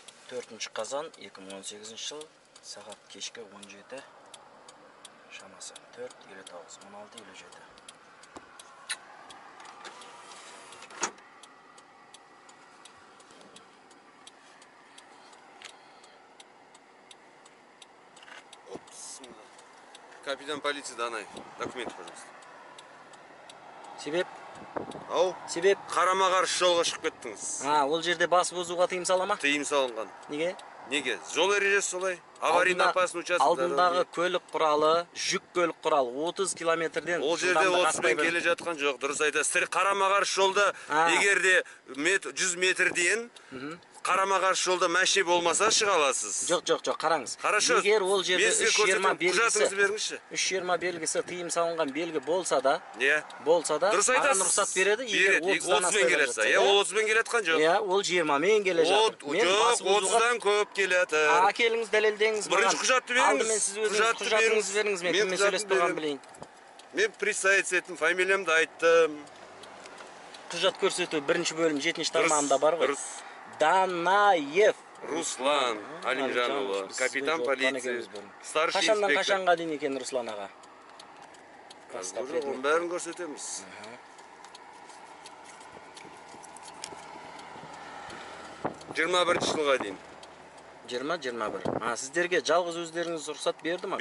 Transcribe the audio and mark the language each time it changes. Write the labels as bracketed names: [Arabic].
[Kazakh] 4 қазан 2018 жыл сағат кешкі 17 шамасы 4:59 16:57. [Russian] Капитан полиции Данай, документ, пожалуйста. [Kazakh] Себеп? Ау? Себеп? Қарама-қарсы жолға шығып кеттіңіз. А, ол жерде бас бозуға тыйым сала ма? Тыйым салынған. Неге? Неге? Жол ережесі солай. [Russian] Аварийный опасный участок. [Kazakh] Алдындағы көлік құралы, жүк көлік құралы 30 километрден. Ол жерде 30-мен келе жатқан жоқ, дұрыс айтасыз. Сіз қарама-қарсы жолда, егер де 100 метрден қарама-қарсы жолда машина болмаса шыға аласыз. Жоқ, қараңыз. [Russian] Хорошо. [Kazakh] Егер ол жерде 320 белгісі. Құжатыңызды беріңізші. 320 белгісі тыйым салынған белгі болса да, иә. Болса да, дұрыс айтасыз. Рұқсат береді, егер 30-мен келеді. Иә, 30-мен келеткен жоқ. Иә, ол 20-мен келе жатыр. Мен басып 30-дан көп келеді. А, келіңіз дәлелдеңіз. Бірінші құжатты беріңіз. Мен сіз өзіңіз құжатыңызды беріңіз, мен кіммен сөйлесіп тұрғанын білейін. Мен присаец еттім, фамилиямды айттым. Құжат көрсету 1-ші бөлім 7-ші тармағында бар ғой. Дұрыс. Данаев [Russian] Руслан Алимжанұлы, капитан полиции, старший инспектор. [Kazakh] Қашан қашанға дейін екен Руслан аға? Қазір оның бәрін көрсетеміз. Жиырма бірінші жылға дейін. 20-21. А, сіздерге жалғыз өздеріңіз рұқсат берді ма?